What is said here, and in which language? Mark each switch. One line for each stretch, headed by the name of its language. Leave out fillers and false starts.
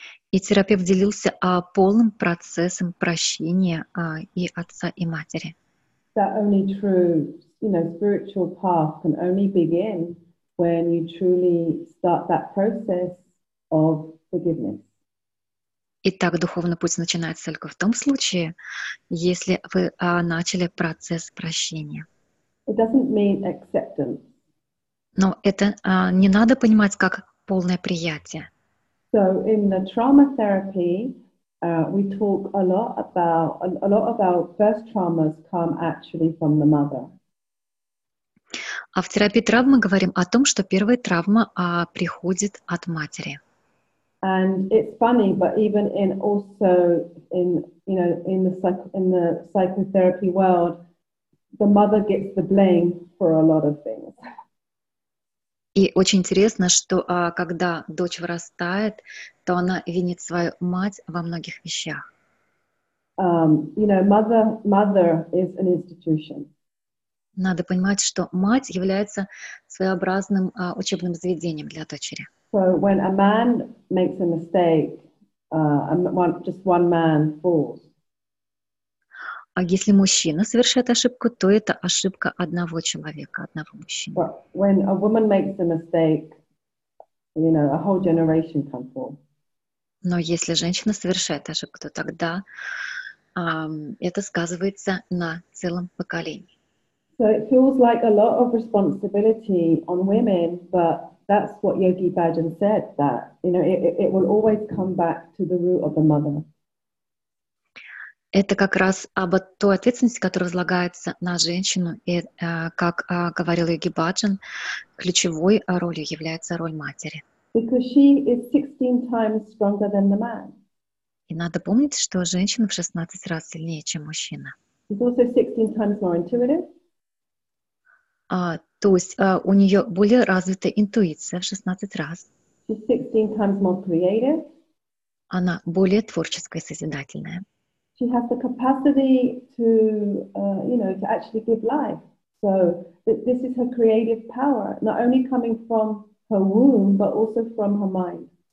Russian: И терапевт делился полным процессом прощения и отца, и матери.
English: That only true, you know, spiritual path can only begin when you truly start that process of forgiveness.
Russian: Итак, духовный путь начинается только в том случае, если вы начали процесс прощения.
English: It doesn't mean acceptance.
Russian: Но это не надо понимать как полное приятие.
English: So in the trauma therapy, we talk a lot about first traumas come actually from the mother.
Russian: А в терапии травм мы говорим о том, что первая травма приходит от матери.
English: And it's funny, but even in also in, you know, in the psychotherapy world, the mother gets the blame for a lot of things.
Russian: И очень интересно, что когда дочь вырастает, то она винит свою мать во многих вещах.
English: You know, mother is an institution.
Russian: Надо понимать, что мать является своеобразным учебным заведением для дочери.
English: So when a man makes a mistake, just one man falls.
Russian: А если мужчина совершает ошибку, то это ошибка одного человека, одного мужчины.
English: But when a woman makes a mistake, you know, a whole generation can fall.
Russian: Но если женщина совершает ошибку, то тогда это сказывается на целом поколении.
English: So it feels like a lot of responsibility on women, but that's what Yogi Bhajan said, that, you know, it will always come back to the root of the mother.
Russian: Это как раз об той ответственности, которая возлагается на женщину. И, как говорил Йоги Баджан, ключевой ролью является роль матери.
English: Because she is 16 times stronger than the man.
Russian: И надо помнить, что женщина в 16 раз сильнее, чем мужчина.
English: She's also 16 times more intuitive.
Russian: То есть у нее более развита интуиция в 16 раз.
English: She's 16 times more creative.
Russian: Она более творческая и созидательная.
English: She has the capacity to, you know, to actually give life. So this is her creative power, not only coming from her womb, but also from her mind.